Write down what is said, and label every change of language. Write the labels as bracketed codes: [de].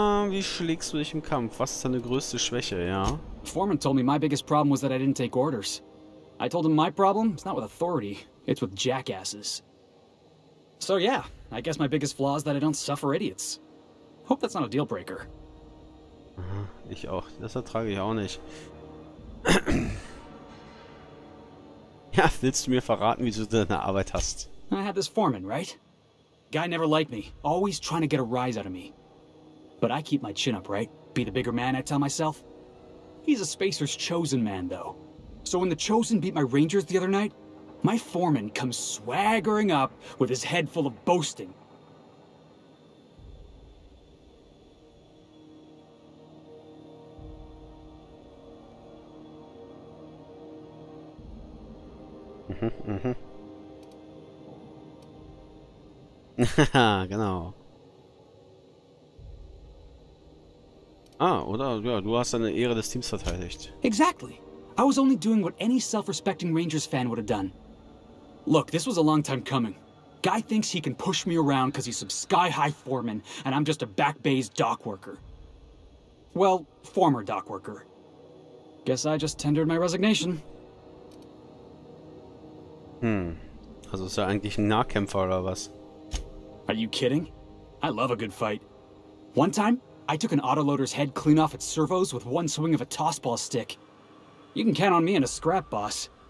[de] Wie schlägst du dich im Kampf? Was ist deine größte Schwäche, ja? [en] The foreman told me my biggest problem was that I didn't take orders. I told him my problem is not with authority, it's with jackasses. So yeah, I guess my biggest flaw is that I don't suffer idiots. Hope that's not a deal breaker. [de] Ich auch. Das ertrage ich auch nicht. Ja, willst du mir verraten, wie du deine Arbeit hast? [en] I had this foreman, right? Guy never liked me, always trying to get a rise out of me. But I keep my chin up, right? Be the bigger man, I tell myself. He's a spacer's chosen man, though. So when the chosen beat my Rangers the other night, my foreman comes swaggering up with his head full of boasting. [de] Genau. Oder? Ja, du hast deine Ehre des Teams verteidigt. [en] Exactly. I was only doing what any self-respecting Rangers fan would have done. Look, this was a long time coming. Guy thinks he can push me around because he's some sky-high foreman and I'm just a back-based dock worker. Well, former dock worker. Guess I just tendered my resignation. Hm. [de] Also ist er eigentlich ein Nahkämpfer oder was? [en] Are you kidding? I love a good fight. One time, I took an autoloader's head clean off its servos with one swing of a tossball stick. You can count on me in a scrap, boss.